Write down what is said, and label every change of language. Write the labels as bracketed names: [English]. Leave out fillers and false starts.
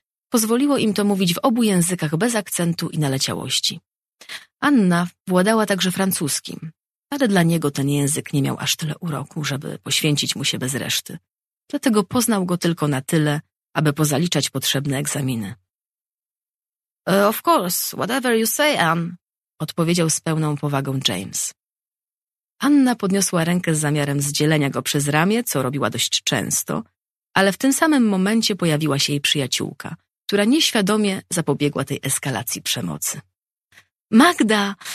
[Polish] Pozwoliło im to mówić w obu językach bez akcentu i naleciałości. Anna władała także francuskim, ale dla niego ten język nie miał aż tyle uroku, żeby poświęcić mu się bez reszty. Dlatego poznał go tylko na tyle, aby pozaliczać potrzebne egzaminy. [English] Of course, whatever you say, Anne, [Polish] odpowiedział z pełną powagą James. Anna podniosła rękę z zamiarem zdzielenia go przez ramię, co robiła dość często, ale w tym samym momencie pojawiła się jej przyjaciółka, która nieświadomie zapobiegła tej eskalacji przemocy. Magda!